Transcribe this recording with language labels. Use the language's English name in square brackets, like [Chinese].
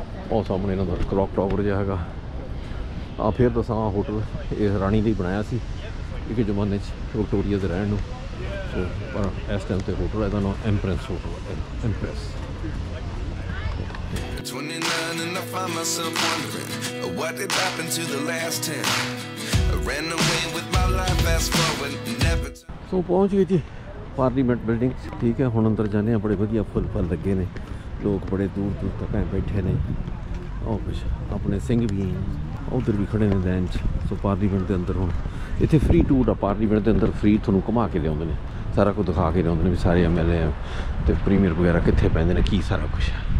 [Punjabi] ਉਹ ਸਾਹਮਣੇ ਇਹਨਾਂ ਦਾ ਕਲੋਕ ਟਾਵਰ ਜਿਹਾ ਹੈਗਾ। ਆ ਫਿਰ ਦੱਸਾਂ, ਆਹ ਹੋਟਲ ਇਹ ਰਾਣੀ ਲਈ ਬਣਾਇਆ ਸੀ ਇੱਕ ਜ਼ਮਾਨੇ 'ਚ ਵਿਕਟੋਰੀਆ ਦੇ ਰਹਿਣ ਨੂੰ। ਸੋ ਪਰ ਇਸ ਟਾਈਮ 'ਤੇ ਹੋਟਲ ਇਹਦਾ ਨਾਮ ਐਮਪ੍ਰੈਸ ਹੋਟਲ ਹੈ, ਐਮਪ੍ਰੈਸ। [English] 29 and I find myself wondering, what did happen to the last 10? I ran away with my life fast forward, never to... [Punjabi] ਸੋ ਪਹੁੰਚ ਗਏ ਜੀ ਪਾਰਲੀਮੈਂਟ ਬਿਲਡਿੰਗ 'ਚ। ਠੀਕ ਹੈ, ਹੁਣ ਅੰਦਰ ਜਾਂਦੇ ਹਾਂ। ਬੜੇ ਵਧੀਆ ਫੁੱਲ ਫਲ ਲੱਗੇ ਨੇ, ਲੋਕ ਬੜੇ ਦੂਰ ਦੂਰ ਤੱਕ ਬੈਠੇ ਨੇ। ਉਹ ਕੁਛ ਆਪਣੇ ਸਿੰਘ ਵੀ ਉੱਧਰ ਵੀ ਖੜ੍ਹੇ ਨੇ ਲੈਨ 'ਚ। ਸੋ ਪਾਰਲੀਮੈਂਟ ਦੇ ਅੰਦਰ ਹੁਣ ਇੱਥੇ ਫਰੀ ਟੂਰ ਆ, ਪਾਰਲੀਮੈਂਟ ਦੇ ਅੰਦਰ ਫਰੀ ਤੁਹਾਨੂੰ ਘੁਮਾ ਕੇ ਲਿਆਉਂਦੇ ਨੇ, ਸਾਰਾ ਕੁਝ ਦਿਖਾ ਕੇ ਲਿਆਉਂਦੇ ਨੇ ਵੀ ਸਾਰੇ MLA ਆ ਅਤੇ ਪ੍ਰੀਮੀਅਰ ਵਗੈਰਾ ਕਿੱਥੇ ਪੈਂਦੇ ਨੇ ਕੀ ਸਾਰਾ ਕੁਛ।